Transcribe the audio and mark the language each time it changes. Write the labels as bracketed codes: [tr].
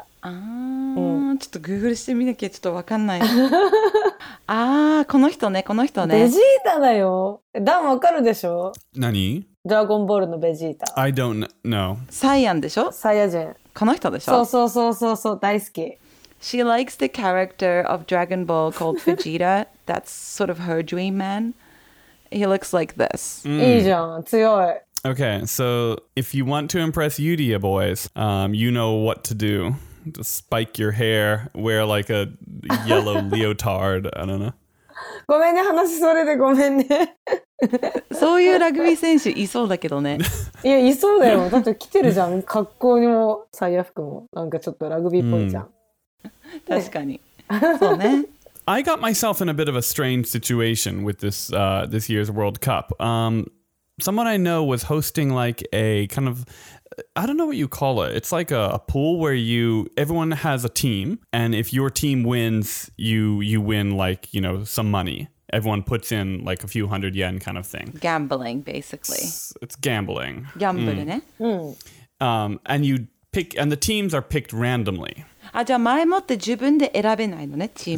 [ja] ああ、ちょっとグーグルしてみなきゃちょっとわかんない。ああ、この人ね、この人ね。ベジータだよ。ダンわかるでしょ。何？ドラゴンボールのベジータ。 [en] I don't know. [ja] サイヤンでしょ？サイヤ人。この人でしょ？そうそうそうそう、大好き。 [en] She likes the character of Dragon Ball called Vegeta. That's sort of her dream man. He looks like this. [ja] いいじゃん、強い。 [en] Okay, so if you want to impress Yuria boys, you know what to do. Just spike your hair, wear like a yellow leotard, I don't know. [ja] ごめんね、話それでごめんね。そういうラグビー選手いそうだけどね。いや、いそうだよ。だって来てるじゃん、格好にもサイヤ服も。なんかちょっとラグビーっぽいじゃん。確かに。そうね。 [en] I got myself in a bit of a strange situation with this, this year's World Cup. Someone I know was hosting like a kind of, I don't know what you call it. It's like a pool where you, everyone has a team. And if your team wins, you win like, you know, some money. Everyone puts in like a few hundred yen kind of thing. Gambling, basically. It's gambling. Gambling, eh? And you pick, and the teams are picked randomly. [ja] Ah, じゃあ前もって自分で選べないのね、チーム。